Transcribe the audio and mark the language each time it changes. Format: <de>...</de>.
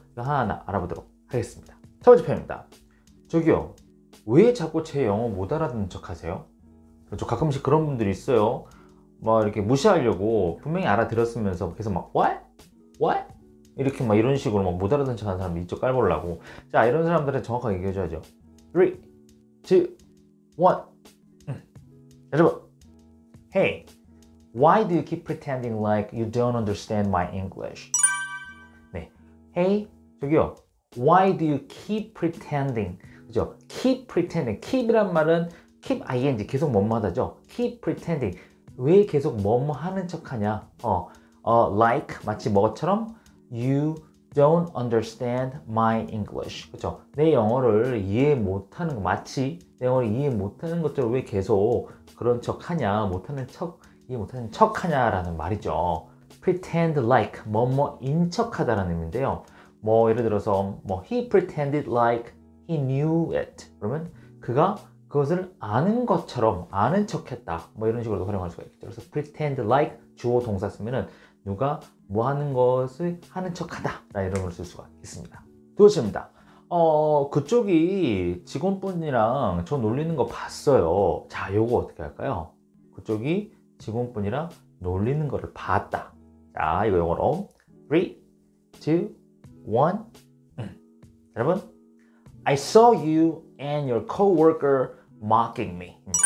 <ko>이거 하나하나 알아보도록 하겠습니다. 첫 번째 표현입니다. 저기요, 왜 자꾸 제 영어 못 알아듣는 척 하세요? 저 가끔씩 그런 분들이 있어요. 막 이렇게 무시하려고 분명히 알아들었으면서 계속 막,</ko> <en>What? What?</en> <ko>이렇게 막 이런 식으로 막못 알아듣는 척 하는 사람 있죠. 깔보려고. 자, 이런 사람들은 정확하게 얘기해줘야죠. 3, 2, 1. 여러분,</ko> <en>Hey, why do you keep pretending like you don't understand my English?</en> <ko>네,</ko> <en>Hey,</en> <ko>저기요,</ko> <en>why do you keep pretending?</en> <ko>그죠?</ko> <en>Keep pretending.</en> <ko>Keep이란 말은</ko> <en>keep ing,</en> <ko>계속 뭐뭐하다죠?</ko> <en>Keep pretending.</en> <ko>왜 계속 뭐뭐 하는 척하냐?</ko> <en>Like,</en> <ko>마치 뭐처럼</ko> <en>you don't understand my English.</en> <ko>그죠? 내 영어를 이해 못하는 거, 마치 내 영어를 이해 못하는 것처럼 왜 계속 그런 척 하냐, 못하는 척, 이해 못하는 척 하냐라는 말이죠.</ko> <en>Pretend like,</en> <ko>뭐뭐인 척 하다라는 의미인데요. 뭐, 예를 들어서, 뭐,</ko> <en>he pretended like he knew it.</en> <ko>그러면 그가 그것을 아는 것처럼, 아는 척 했다. 뭐, 이런 식으로도 활용할 수가 있겠죠. 그래서</ko> <en>pretend like,</en> <ko>주어 동사 쓰면은 누가 뭐 하는 것을 하는 척 하다. 라는 이름을 쓸 수가 있습니다. 두 번째입니다. 그쪽이 직원분이랑 저 놀리는 거 봤어요. 자, 요거 어떻게 할까요? 그쪽이 직원분이랑 놀리는 거를 봤다. 자, 이거 영어로. 3, 2, 1. 여러분,</ko> <en>I saw you and your coworker mocking me.</en>